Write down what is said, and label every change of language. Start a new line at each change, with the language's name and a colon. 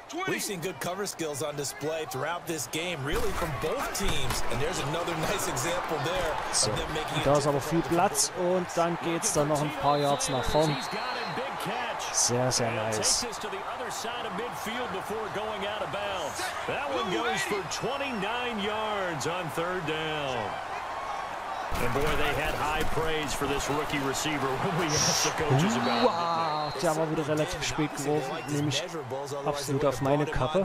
English: We've seen good cover skills on display throughout this game, really from both teams. And there's another nice example there.
German: So, da ist aber viel Platz und dann geht's dann noch ein paar Yards nach vorn. Sehr, sehr nice.
English: That one goes for 29 yards on third down. And boy, they had high praise for this rookie receiver when we asked the coaches about it.
German: Der war wieder relativ spät geworfen, nämlich absolut auf meine Kappe.